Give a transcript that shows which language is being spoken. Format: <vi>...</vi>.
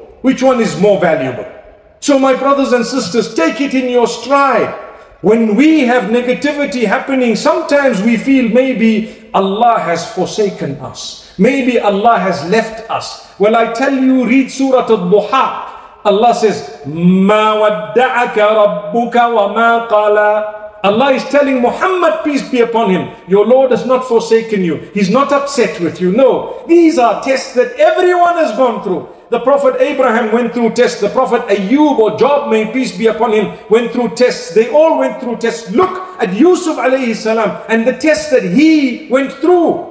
<en>Which one is more valuable? So my brothers and sisters, take it in your stride. When we have negativity happening, sometimes we feel maybe Allah has forsaken us. Maybe Allah has left us. Well, I tell you, read Surah Al-Duha. Allah says,</en> <ar>مَا وَدَّعَكَ رَبُّكَ وَمَا قَالَ.</ar> <en>Allah is telling Muhammad, peace be upon him, your Lord has not forsaken you. He's not upset with you. No, these are tests that everyone has gone through. The Prophet Abraham went through tests. The Prophet Ayyub or Job, may peace be upon him, went through tests. They all went through tests. Look at Yusuf alayhi salam and the tests that he went through.</en>